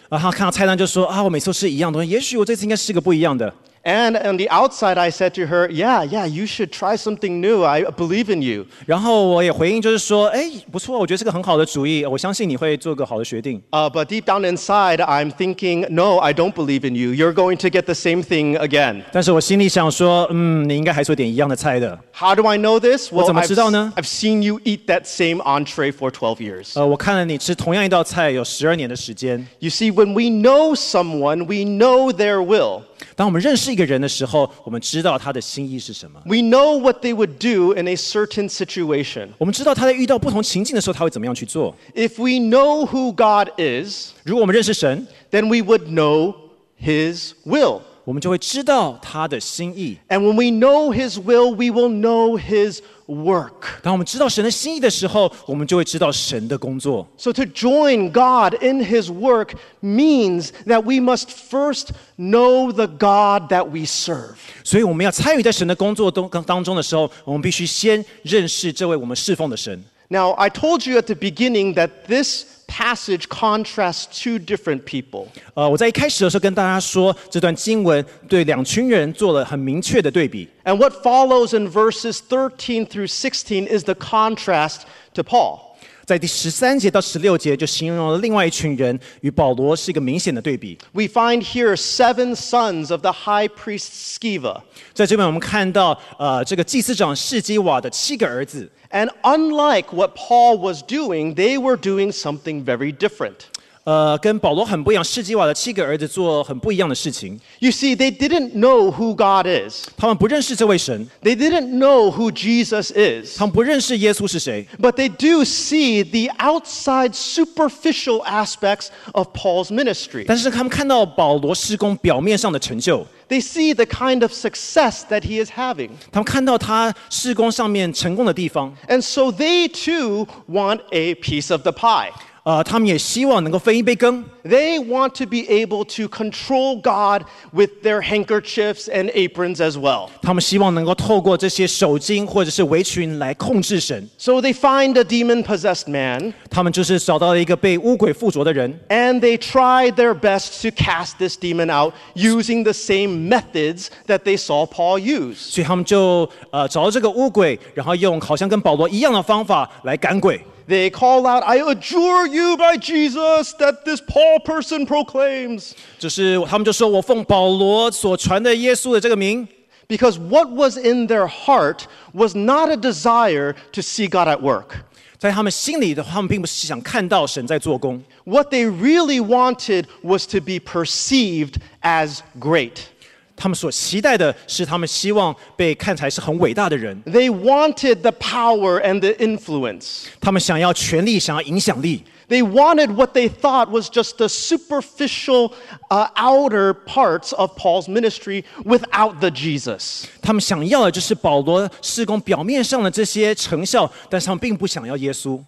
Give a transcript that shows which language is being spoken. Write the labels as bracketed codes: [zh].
[zh] 她看到菜单就说：“啊，我每次都吃一样东西，也许我这次应该试个不一样的。” [en] And on the outside, I said to her, yeah, yeah, you should try something new. I believe in you. [zh] 然后我也回应就是说，哎，不错，我觉得是个很好的主意，我相信你会做个好的决定。 [en] But deep down inside, I'm thinking, no, I don't believe in you. You're going to get the same thing again. [zh] 但是我心里想说，你应该还是有点一样的菜的。 [en] How do I know this? [zh] Well, 我怎么知道呢？ [en] I've seen you eat that same entree for 12 years. [zh] 我看了你吃同样一道菜有12年的时间。 [en] You see, when we know someone, we know their will. [zh] 当我们认识一个人的时候，我们知道他的心意是什么。 [en] We know what they would do in a certain situation. [zh] 我们知道他在遇到不同情境的时候，他会怎么样去做。 [en] If we know who God is, [zh] 如果我们认识神， [en] then we would know His will. [zh] 我们就会知道他的心意。 [en] And when we know His will, we will know His work. [zh] 当我们知道神的心意的时候，我们就会知道神的工作。 [en] So to join God in His work means that we must first. Know the God that we serve. [zh] 所以我们要参与在神的工作当中的时候，我们必须先认识这位我们侍奉的神。 [en] Now, I told you at the beginning that this passage contrasts two different people. [zh] 我在一开始的时候跟大家说，这段经文对两群人做了很明确的对比。 [en] And what follows in verses 13 through 16 is the contrast to Paul. [zh] 在第十三节到十六节，就形容了另外一群人与保罗是一个明显的对比。 [en] We find here seven sons of the high priest Sceva. [zh] 在这边我们看到，这个祭司长示基瓦的七个儿子。 [en] And unlike what Paul was doing, they were doing something very different. [zh] 跟保罗很不一样，示基瓦的七个儿子做很不一样的事情。 [en] You see, they didn't know who God is. [zh] 他们不认识这位神。 [en] They didn't know who Jesus is. [zh] 他们不认识耶稣是谁。 [en] But they do see the outside superficial aspects of Paul's ministry. [zh] 但是他们看到保罗事工表面上的成就。 [en] They see the kind of success that he is having. [zh] 他们看到他事工上面成功的地方。 [en] And so they too want a piece of the pie. [zh] 他们也希望能够分一杯羹。 [en] They want to be able to control God with their handkerchiefs and aprons as well. [zh] 他们希望能够透过这些手巾或者是围裙来控制神。 [en] So they find a demon-possessed man. [zh] 他们就是找到了一个被巫鬼附着的人。 [en] And they try their best to cast this demon out using the same methods that they saw Paul use. [zh] 所以他们就找到这个巫鬼，然后用好像跟保罗一样的方法来赶鬼。 [en] They call out, I adjure you by Jesus that this Paul person proclaims. [zh] 就是他们就说我奉保罗所传的耶稣的这个名。 [en] Because what was in their heart was not a desire to see God at work. [zh] 在他们心里的话，他们并不是想看到神在做工。 [en] What they really wanted was to be perceived as great. [zh] 他们所期待的是他们希望被看起来是很伟大的人。 [en] They wanted the power and the influence. [zh] 他们想要权力，想要影响力。 [en] They wanted what they thought was just the superficial, outer parts of Paul's ministry without the Jesus. [zh] 他们想要的就是保罗事工表面上的这些成效，但是他们并不想要耶稣。